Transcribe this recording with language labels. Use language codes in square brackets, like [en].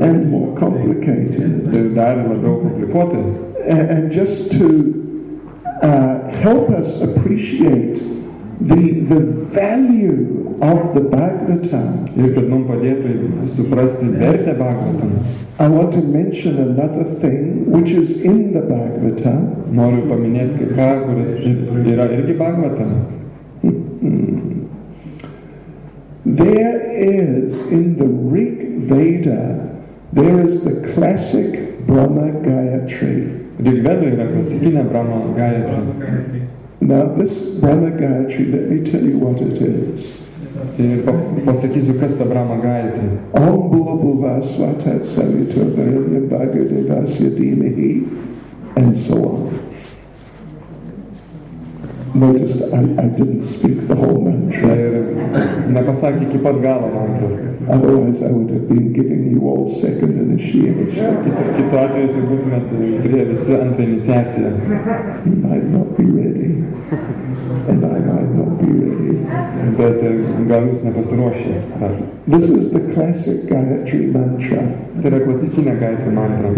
[en] And more complicated. [lt] Ir dar labiau komplikuoti. [en] And just to help us appreciate the value of the Bhagavatam. [lt] Ir kad mums padėtų suprasti vertę Bhagavatam. [en] I want to mention another thing which is in the Bhagavatam. [lt] Noriu paminėti ką, kuris yra irgi Bhagavatam. [en] There is, in the Rig Veda, there is the classic Brahma Gayatri. [lt] Rig Veda yra klasikinė Brahma Gayatri. [en] Now this Brahma Gayatri, let me tell you what it is. [lt] Pasakysiu, kas ta Brahma Gayatri. [sa] Om Bhuvasva Tat Savitur Vairyam Bhagadevasya Dhimahi, [en] and so on. Notice I didn't speak the whole mantra. [lt] Nepasakė iki pat galo mantra. [en] Otherwise I would have been giving you all second initiation. [lt] Kitu atveju jūs būtumėt turėję visi antrą iniciaciją. [en] You might not be ready. And I might not be ready. [lt] Bet gal jūs nepasiruošę. [en] This is the classic Gayatri mantra. [lt] Tai yra klasikinė Gayatri mantra.